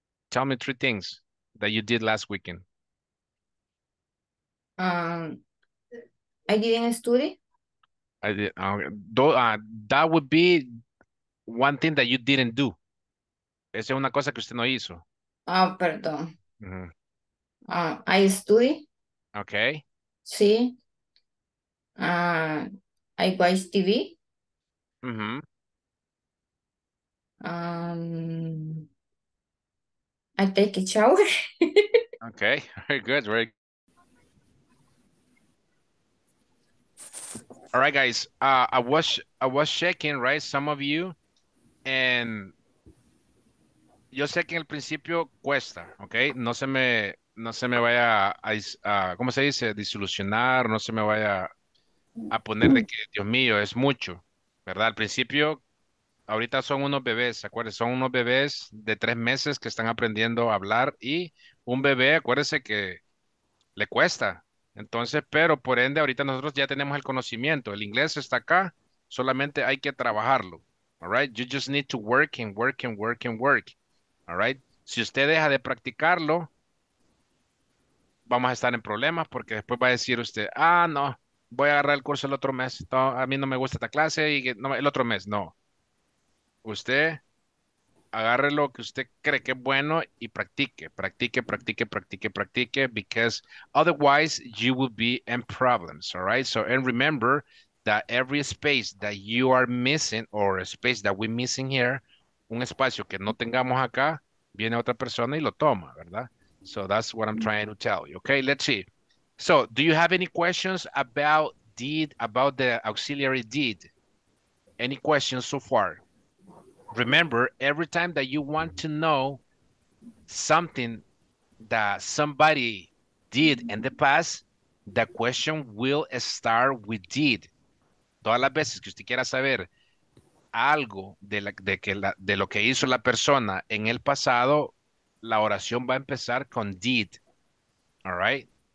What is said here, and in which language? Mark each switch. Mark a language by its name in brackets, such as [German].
[English] Tell me three things that you did last weekend. I didn't study. That would be one thing that you didn't do. [Spanish] Esa es una cosa que usted no hizo. [English] Oh, perdón. Mm-hmm. I study. Okay. Sí. I watch TV. Mm-hmm. I take a shower. Okay, very good, very good. All right, guys. I was checking, right, some of you, and [Spanish] yo sé que en el principio cuesta, [English] okay? [Spanish] No se me vaya a ¿cómo se dice? Disolucionar, no se me vaya a poner de que, Dios mío, es mucho, ¿verdad? Al principio ahorita son unos bebés, acuérdense, son unos bebés de 3 meses que están aprendiendo a hablar y un bebé, acuérdense que le cuesta. Entonces, pero por ende, ahorita nosotros ya tenemos el conocimiento. El inglés está acá, solamente hay que trabajarlo. [English] All right, you just need to work and work and work and work. All right, [Spanish] si usted deja de practicarlo, vamos a estar en problemas porque después va a decir usted, ah, no, voy a agarrar el curso el otro mes. No, a mí no me gusta esta clase y no, el otro mes, no. Usted agarre lo que usted cree que es bueno y practique, practique, practique, practique, practique, [English] because otherwise you will be in problems, all right? So, and remember that every space that you are missing or a space that we're missing here, [Spanish] un espacio que no tengamos acá, [English] viene otra persona y lo toma, ¿verdad? So that's what I'm trying to tell you, okay? Let's see. So, do you have any questions about did, about the auxiliary did? Any questions so far? Remember, every time that you want to know something that somebody did in the past, the question will start with did. [Spanish] Todas las veces que usted quiera saber algo de, la, de, que la, de lo que hizo la persona en el pasado, la oración va a empezar con did. [English] All right?